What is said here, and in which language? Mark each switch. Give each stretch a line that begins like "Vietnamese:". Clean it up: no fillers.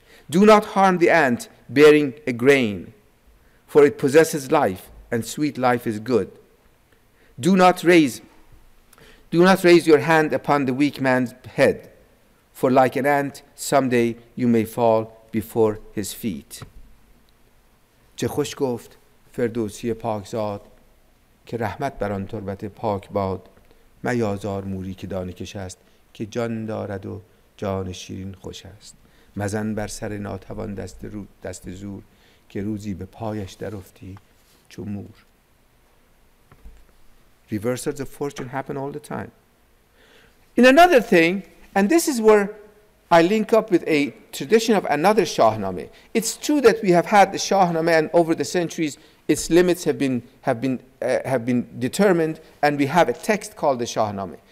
English: Do not harm the ant bearing a grain, for it possesses life, and sweet life is good. Do not raise your hand upon the weak man's head, for like an ant, someday you may fall before his feet.
Persian: چه خوش گفت فردوسی پاکزاد که رحمت بر آن تربت پاک باد میازار موری که دانه کش است که جان دارد و جان شیرین خوش است مزن بر سر ناتوان دست زور که روزی به پایش درفتی چو مور.
English: Reversals of fortune happen all the time. In another thing, and this is where I link up with a tradition of another Shahnameh. It's true that we have had the Shahnameh, and over the centuries, its limits have been determined, and we have a text called the Shahnameh.